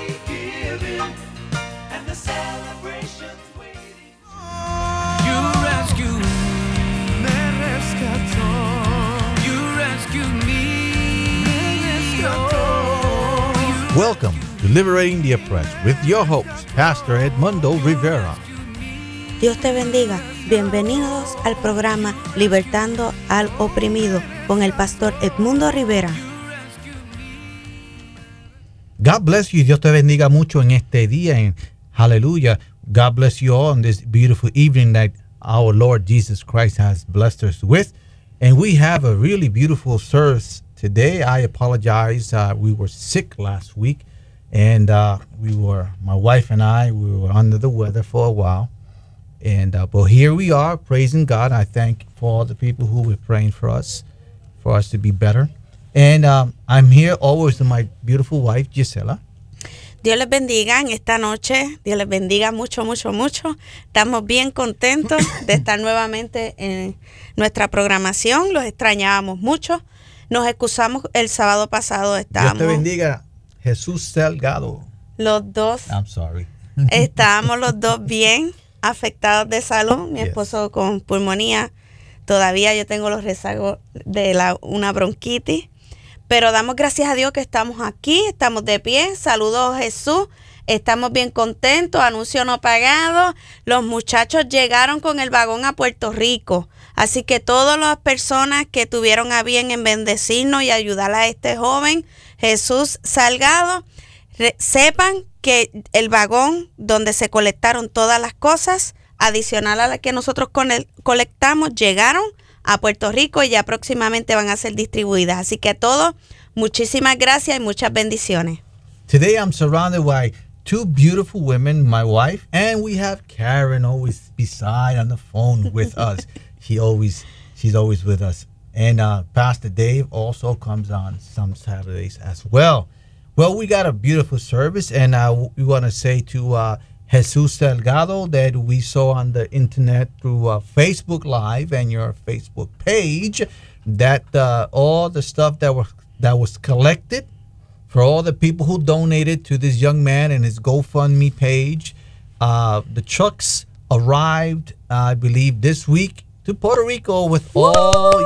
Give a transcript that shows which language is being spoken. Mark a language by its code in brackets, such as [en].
[en] Welcome to Liberating the Oppressed with your host, Pastor Edmundo Rivera. [es] Dios te bendiga. Bienvenidos al programa Libertando al Oprimido con el Pastor Edmundo Rivera. [en] God bless you. [es] Dios te bendiga mucho en este día. Hallelujah. [en] God bless you all on this beautiful evening that our Lord Jesus Christ has blessed us with. And we have a really beautiful service today. I apologize. We were sick last week, and my wife and I were under the weather for a while. But here we are, praising God. I thank for all the people who were praying for us to be better. And I'm here always with my beautiful wife, Gisela. [es] Dios les bendiga en esta noche. Dios les bendiga mucho, mucho, mucho. Estamos bien contentos de estar nuevamente en nuestra programación. Los extrañábamos mucho. Nos excusamos el sábado pasado. Estábamos. Dios te bendiga, Jesús Salgado. Los dos. [en] I'm sorry. [es] Estábamos los dos bien afectados de salud. Mi esposo con pulmonía. Todavía yo tengo los rezagos de una bronquitis. Pero damos gracias a Dios que estamos aquí, estamos de pie. Saludos, Jesús. Estamos bien contentos. Anuncio no pagado. Los muchachos llegaron con el vagón a Puerto Rico. Así que todas las personas que tuvieron a bien en bendecirnos y ayudar a este joven, Jesús Salgado, sepan que el vagón donde se colectaron todas las cosas, adicional a la que nosotros colectamos, llegaron a Puerto Rico y ya próximamente van a ser distribuidas. Así que a todos, muchísimas gracias y muchas bendiciones. [en] Today I'm surrounded by two beautiful women, my wife, and we have Karen always beside on the phone with us. She's always with us. And Pastor Dave also comes on some Saturdays as well. Well, we got a beautiful service, and we want to say to Jesus Salgado that we saw on the internet through Facebook Live and your Facebook page that all the stuff that was collected for all the people who donated to this young man and his GoFundMe page, the trucks arrived, I believe, this week to Puerto Rico with all,